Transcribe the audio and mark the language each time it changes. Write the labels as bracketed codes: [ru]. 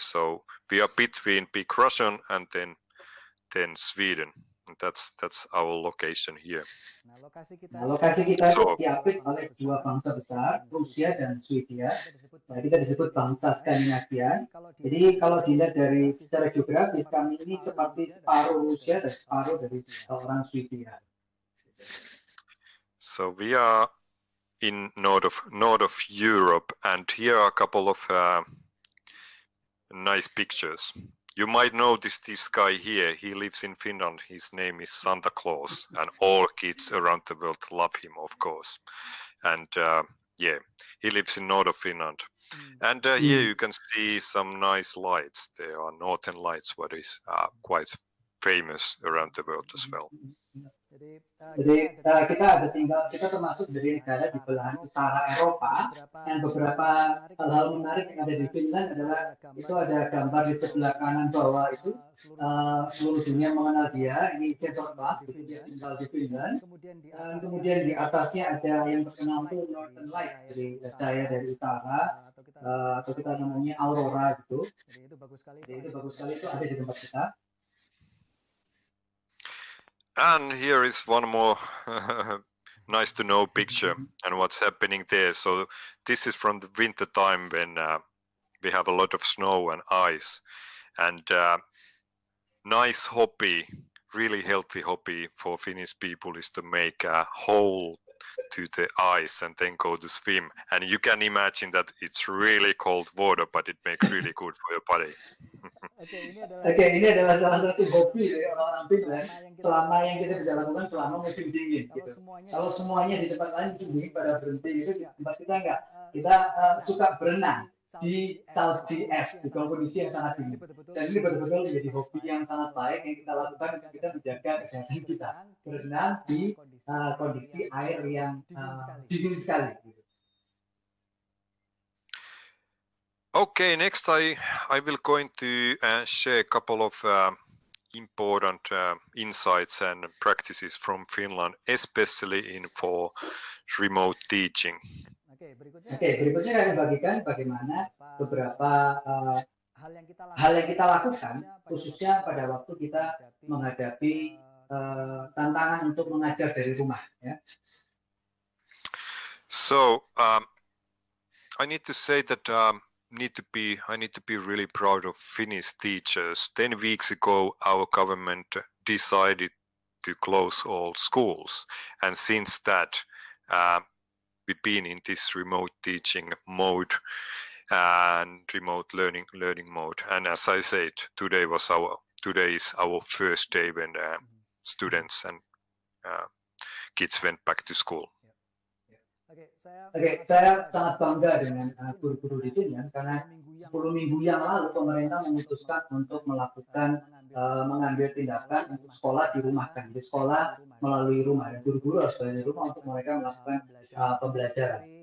[en] So we are between big Russia and then Sweden. That's our location here. [id] Lokasi kita so, diapit oleh dua bangsa besar, Rusia dan Swedia. Nah, kita disebut bangsa Skandinavia. Jadi kalau dilihat dari secara geografis, kami ini seperti separuh Rusia dan separuh dari orang Swedia. [en] So we are in north of Europe, and here are a couple of nice pictures. You might notice this guy here. He lives in Finland. His name is Santa Claus, and all kids around the world love him, of course. And he lives in north of Finland. And here you can see some nice lights. There are northern lights, what is quite famous around the world as well. [id] Jadi kita ada tinggal, kita termasuk dari negara di belahan utara Eropa, dan beberapa hal-hal menarik yang ada di Finland adalah itu ada gambar di sebelah kanan bawah itu, seluruh dunia mengenal dia, ini Centerbass, itu dia tinggal di Finland. Kemudian di atasnya ada yang terkenal itu Northern Light, dari cahaya dari utara, atau kita namanya Aurora gitu. Jadi itu bagus sekali, itu ada di tempat kita. [en] And here is one more nice to know picture and what's happening there. So this is from the winter time when we have a lot of snow and ice, and nice hobby, really healthy hobby for Finnish people is to make a hole to the ice and then go to swim. And you can imagine that it's really cold water, but it makes really good for your body. [id] Oke, ini adalah salah satu hobi dari orang-orang Finland selama yang kita bisa lakukan selama musim dingin. Gitu. Kalau semuanya di tempat lain dingin pada berhenti itu di tempat kita enggak. Kita suka berenang di salji es di kondisi yang sangat dingin. Dan ini betul-betul menjadi hobi yang sangat baik yang kita lakukan untuk kita menjaga kesehatan kita, berenang di kondisi air yang dingin sekali. Gitu. [en] Okay, next I will going to share a couple of important insights and practices from Finland, especially in for remote teaching. [id] Okay, berikutnya saya akan bagikan bagaimana beberapa hal yang kita lakukan khususnya pada waktu kita menghadapi tantangan untuk mengajar dari rumah, ya. [en] So I need to say that I need to be really proud of Finnish teachers. 10 weeks ago, our government decided to close all schools, and since that, we've been in this remote teaching mode and remote learning mode. And as I said, today is our first day when students and kids went back to school. [id] Oke, saya sangat bangga dengan guru-guru di sini, karena 10 minggu yang lalu pemerintah memutuskan untuk melakukan mengambil tindakan untuk sekolah dirumahkan, di sekolah melalui rumah, dan guru-guru harus berada di rumah untuk mereka melakukan pembelajaran.